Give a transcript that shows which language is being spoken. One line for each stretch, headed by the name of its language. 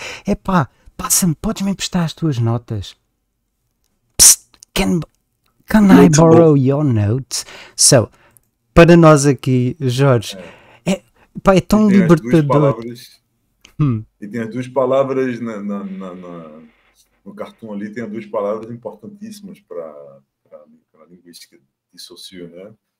Portuguese: Epá, passa-me, podes-me emprestar as tuas notas?
English: Psst, can I borrow your notes?
Portuguese: So, para nós aqui, Jorge, pá, é tão libertador. E tem as duas palavras no cartoon ali, tem as duas palavras importantíssimas para a linguística de Saussure, né?